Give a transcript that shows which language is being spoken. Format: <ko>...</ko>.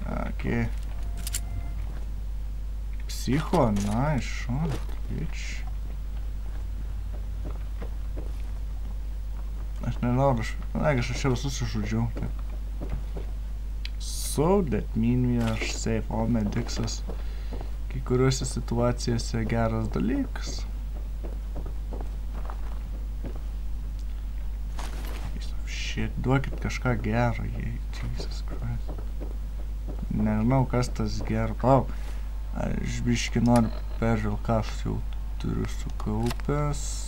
<en>Okay. Psycho, nice shot, bitch.</en> <lt>Aš nenoriu, aš čia visus išžudžiau.</lt> <en>So, that mean we are safe, all medics.</en> <lt>Kai kuriuose situacijose geras dalykas. Shit, duokit kažką gero, jei, Jesus Christ. Nežinau, kas tas gero, pau. Aš biškį noriu peržiūrėl, ką aš jau turiu sukaupęs.</lt>